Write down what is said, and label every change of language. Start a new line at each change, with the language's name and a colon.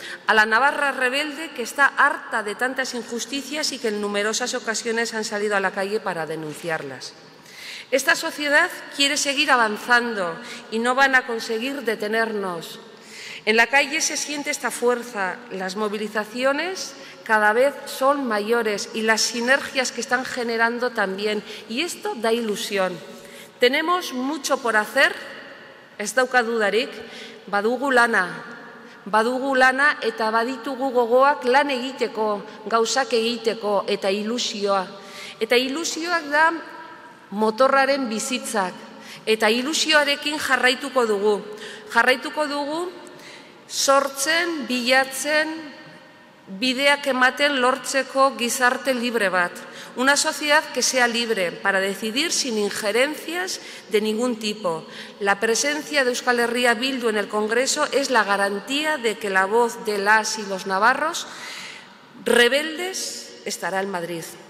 Spanish: A la Navarra rebelde que está harta de tantas injusticias y que en numerosas ocasiones han salido a la calle para denunciarlas. Esta sociedad quiere seguir avanzando y no van a conseguir detenernos. En la calle se siente esta fuerza, las movilizaciones cada vez son mayores y las sinergias que están generando también. Y esto da ilusión. Tenemos mucho por hacer,
Basque: ez dauka dudarik, badugu lana eta baditugu gogoak lan egiteko, gauzak egiteko eta ilusioa. Eta ilusioak da motorraren bizitzak eta ilusioarekin jarraituko dugu. Jarraituko dugu sortzen, bilatzen, bideak ematen lortzeko gizarte libre bat.
Spanish: Una sociedad que sea libre para decidir sin injerencias de ningún tipo. La presencia de Euskal Herria Bildu en el Congreso es la garantía de que la voz de las y los navarros rebeldes estará en Madrid.